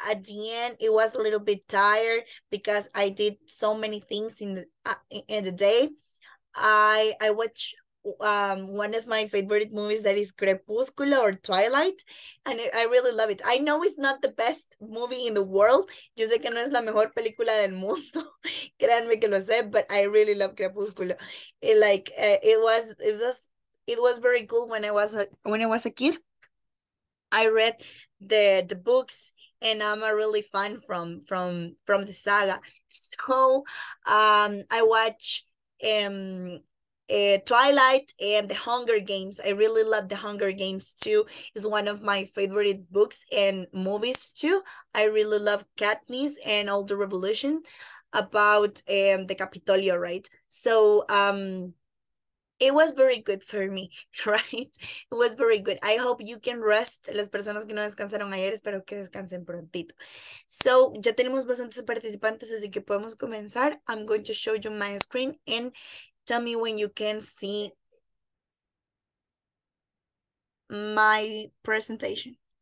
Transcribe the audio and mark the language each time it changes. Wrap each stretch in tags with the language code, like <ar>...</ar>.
<en>At the end it was a little bit tired because I did so many things in the day. I watched one of my favorite movies, that is Crepúsculo or Twilight, and I really love it. I know it's not the best movie in the world.</en> <es>Yo sé que no es la mejor película del mundo. Créanme que lo sé,</es> <en>but I really love Crepúsculo. It was very cool when I was a kid. I read the books, and I'm a really fan from the saga. So I watch Twilight and The Hunger Games. I really love The Hunger Games too. It's one of my favorite books and movies too. I really love Katniss and all the revolution about the Capitolio, right? So it was very good for me, right? It was very good. I hope you can rest.</en> <es>Las personas que no descansaron ayer, espero que descansen prontito. So, ya tenemos bastantes participantes, así que podemos comenzar.</es> <en>I'm going to show you my screen and tell me when you can see my presentation.</en>